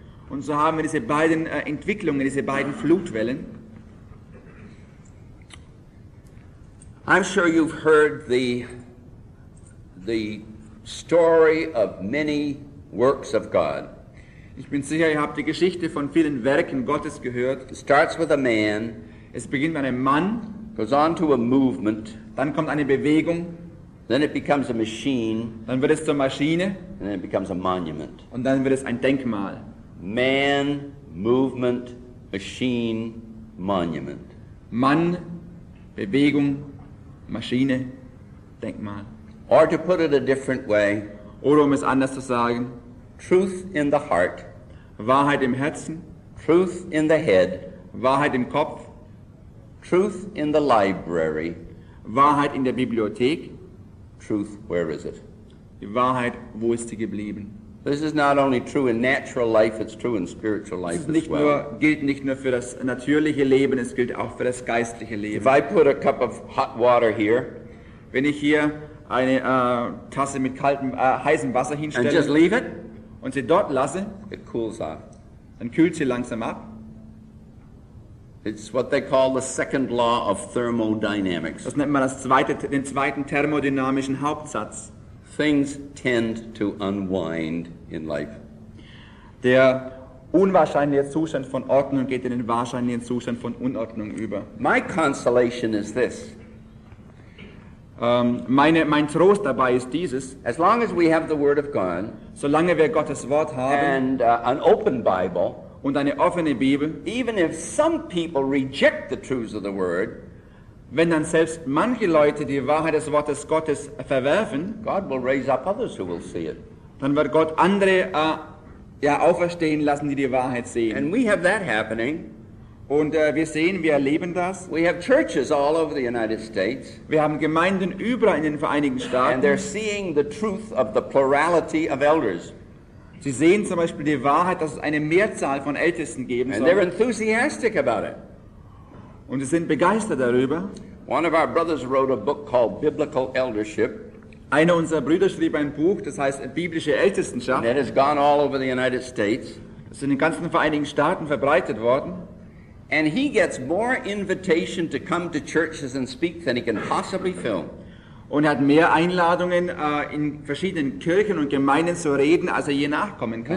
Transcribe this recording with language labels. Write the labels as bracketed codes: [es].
[de] Und so haben wir diese beiden Entwicklungen, diese beiden Flutwellen. [en] I'm sure you've heard the story of many works of God. [de] Ich bin sicher, ihr habt die Geschichte von vielen Werken Gottes gehört. [en] It starts with a man. [de] Es beginnt mit einem Mann. [en] Goes on to a movement. [de] Dann kommt eine Bewegung. [en] Then it becomes a machine. [de] Dann wird es zur Maschine. [en] And then it becomes a monument. [de] Und dann wird es ein Denkmal. [en] Man, movement, machine, monument. [de] Mann, Bewegung, Maschine, Denkmal. [en] Or to put it a different way. [de] Oder um es anders zu sagen. [en] Truth in the heart. [de] Wahrheit im Herzen. [en] Truth in the head. [de] Wahrheit im Kopf. [en] Truth in the library. [de] Wahrheit in der Bibliothek. [en] Truth, where is it? [de] Die Wahrheit, wo ist sie geblieben? [en] This is not only true in natural life, it's true in spiritual life as well. [de] Das gilt nicht nur für das natürliche Leben, es gilt auch für das geistliche Leben. [en] If I put a cup of hot water here, [de] wenn ich hier eine Tasse mit kaltem heißem Wasser hinstelle [en] and just leave it, [de] und sie dort lasse, [en] it cools off. [de] Dann kühlt sie langsam ab. [en] It's what they call the second law of thermodynamics. [de] Das nennt man den zweiten thermodynamischen Hauptsatz. [en] Things tend to unwind in life. [de] Der unwahrscheinliche Zustand von Ordnung geht in den wahrscheinlichen Zustand von Unordnung über. [en] My consolation is this. [de] Mein Trost dabei ist dieses. [en] As long as we have the Word of God, [de] solange wir Gottes Wort haben, [en] and an open Bible, [de] und eine offene Bibel, [en] even if some people reject the truths of the Word, [de] wenn dann selbst manche Leute die Wahrheit des Wortes Gottes verwerfen, [en] God will raise up others who will see it. [de] Dann wird Gott andere auferstehen lassen, die Wahrheit sehen. [en] And we have that happening. [de] Und wir erleben das. [en] We have churches all over the United States. [de] Wir haben Gemeinden überall in den Vereinigten Staaten. [en] And they're seeing the truth of the plurality of elders. [de] Sie sehen zum Beispiel die Wahrheit, dass es eine Mehrzahl von Ältesten geben soll. [en] And they're enthusiastic about it. [de] Und sie sind begeistert darüber. [en] One of our brothers wrote a book called Biblical Eldership. [de] Einer unserer Brüder schrieb ein Buch, das heißt Biblische Ältestenschaft. [en] And it has gone all over the United States. [de] Es ist in den ganzen Vereinigten Staaten verbreitet worden. [en] And he gets more invitation to come to churches and speak than he can possibly fill. [de] Und hat mehr Einladungen in verschiedenen Kirchen und Gemeinden zu reden, als er je nachkommen kann.